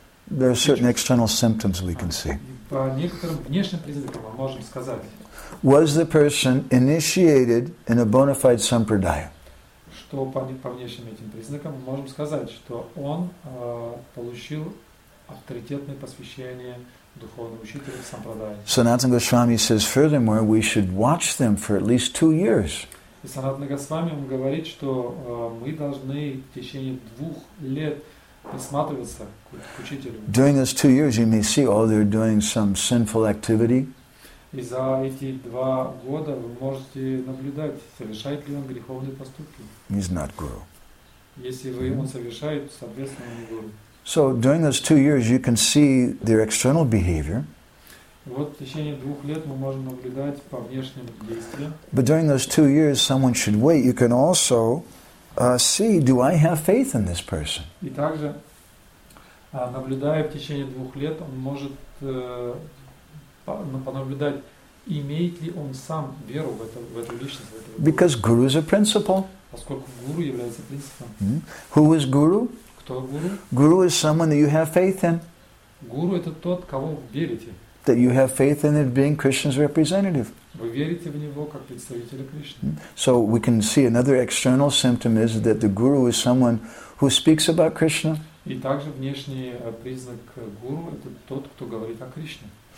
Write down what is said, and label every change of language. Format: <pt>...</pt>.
<en>There are certain external symptoms we can see.</en> <ru>По некоторым внешним признакам мы можем сказать.</ru> <en>Was the person initiated in a bona fide sampradaya?</en> <ru>Что по внешним этим признакам мы можем сказать, что он получил авторитетное посвящение духовному учителю в сампрадае.</ru> <en>Sanatana Goswami says, furthermore, we should watch them for at least 2 years.</en> <ru>И Санатана Госвами говорит, что мы должны в течение 2 лет присматриваться к учителю.</ru> <en>During those 2 years, you may see, oh, they're doing some sinful activity.</en> <ru>И за эти 2 года вы можете наблюдать, совершает ли он греховные поступки.</ru> <en>He's not guru.</en> <ru>Если вы он совершает, соответственно, он гуру.</ru> <en>So during those 2 years, you can see their external behavior.</en> <ru>Вот в течение 2 лет мы можем наблюдать по внешним действиям.</ru> <en>But during those 2 years, someone should wait. You can also see, do I have faith in this person?</en> <ru>И также, наблюдая в течение 2 лет, он может понаблюдать, имеет ли он сам веру в эту личность. В этого гуру.</ru> <en>Because guru is a principle.</en> <ru>Поскольку гуру является принципом.</ru> <en>Mm-hmm. Who is guru?</en> <ru>Кто гуру?</ru> <en>Guru is someone that you have faith in.</en> <ru>Гуру это тот, кого вы верите.</ru> <en>That you have faith in it being Krishna's representative.</en> <ru>Вы верите в него как представителя Кришны.</ru> <en>So we can see another external symptom is that the guru is someone who speaks about Krishna.</en> <ru>И также внешний признак гуру это тот, кто говорит о Кришне.</ru>